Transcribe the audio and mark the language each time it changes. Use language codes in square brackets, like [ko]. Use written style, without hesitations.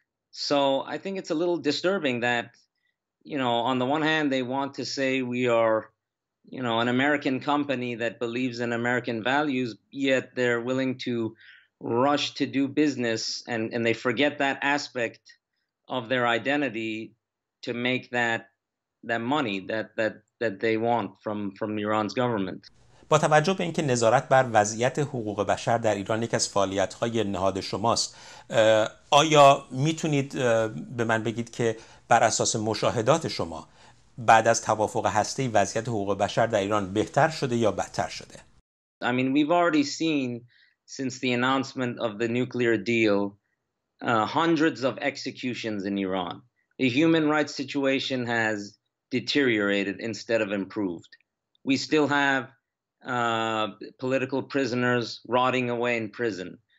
[en] So I think it's a little disturbing that, you know, on the one hand, they want to say we are, you know, an American company that believes in American values, yet they're willing to rush to do business, and they forget that aspect of their identity to make that money that they want from Iran's government. [fa] با توجه به اینکه نظارت بر وضعیت حقوق بشر در ایران یک از فعالیت‌های نهاد شماست، آیا میتونید به من بگید که بر اساس مشاهدات شما بعد از توافق هسته‌ای وضعیت حقوق بشر در ایران بهتر شده یا بدتر شده؟ [en] I mean, we've already seen since the announcement of the nuclear deal, hundreds of executions in Iran. The human rights situation has deteriorated instead of improved. We still have political prisoners rotting away in prison.